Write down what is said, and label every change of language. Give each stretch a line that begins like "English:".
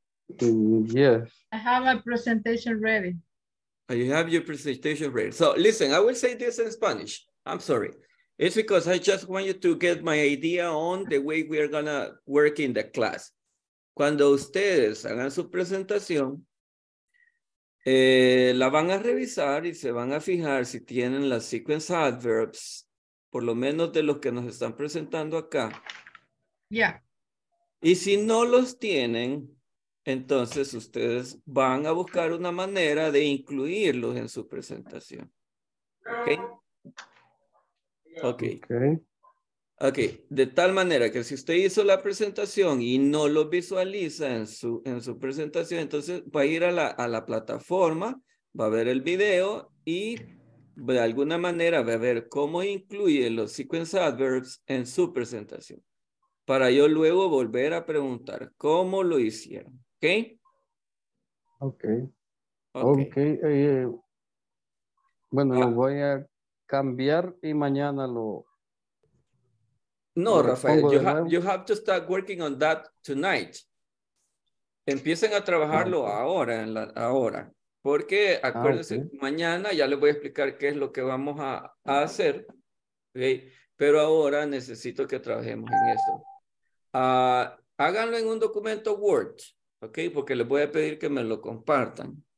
English: Yes. I have a presentation ready. You have your presentation ready. So listen, I will say this in Spanish. I'm sorry. It's because I just want you to get my idea on the way we are gonna work in the class.
Spanish: Cuando ustedes hagan su presentación, la van a revisar y se van a fijar si tienen las sequence adverbs, por lo menos de los que nos están presentando acá.
English: Yeah.
Spanish: Y si no los tienen, entonces ustedes van a buscar una manera de incluirlos en su presentación.
English: Okay. Okay. Okay. Okay.
Spanish: De tal manera que si usted hizo la presentación y no lo visualiza en su presentación, entonces va a ir a la plataforma, va a ver el video y de alguna manera va a ver cómo incluye los sequence adverbs en su presentación. Para yo luego volver a preguntar cómo lo hicieron.
English: Okay. Okay. Okay. Okay.
Spanish: Bueno, lo voy a cambiar y mañana lo.
English: No, lo Rafael, you have to start working on that tonight.
Spanish: Empiecen a trabajarlo ahora, en la, ahora. Porque acuérdense, mañana ya les voy a explicar qué es lo que vamos a hacer. Okay. Pero ahora necesito que trabajemos en esto. Háganlo en un documento Word. Ok, porque les voy a pedir que me lo compartan.